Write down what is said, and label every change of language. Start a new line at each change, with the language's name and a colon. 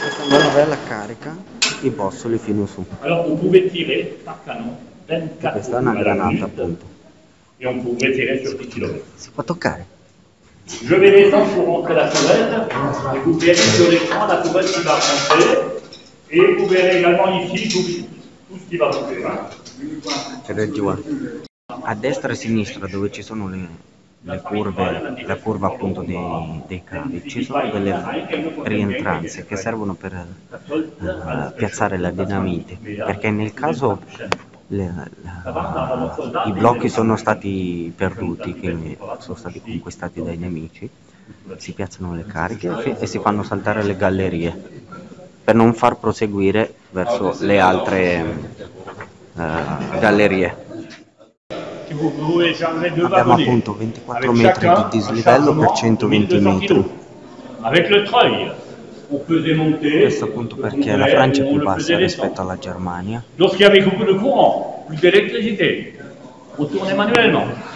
Italian: La novella carica i bossoli fino su. Allora,
French: on pouvait tirer par canon 24.
Italian: Questa è una granata, appunto.
French: E on pouvait tirer sur 10 km.
Italian: Si può toccare.
French: Je vais descendre pour rentrer la couvette. Et vous verrez sur l'écran la couvette qui va rentrer. Et vous verrez également ici tout ce qui va rentrer.
Italian: C'è del giù. A destra e a sinistra, dove ci sono le curve, la curva appunto dei cavi, ci sono delle rientranze che servono per piazzare la dinamite, perché nel caso i blocchi sono stati perduti, che sono stati conquistati dai nemici, si piazzano le cariche e si fanno saltare le gallerie per non far proseguire verso le altre gallerie. Abbiamo appunto 24 metri di dislivello per 120 metri.
French: Avec le treuil, on peut démonter.
Italian: Questo appunto perché la Francia è più bassa rispetto alla Germania.
French: Lorsqu'il y avait beaucoup de courant, plus d'électricité, on tournait manuellement.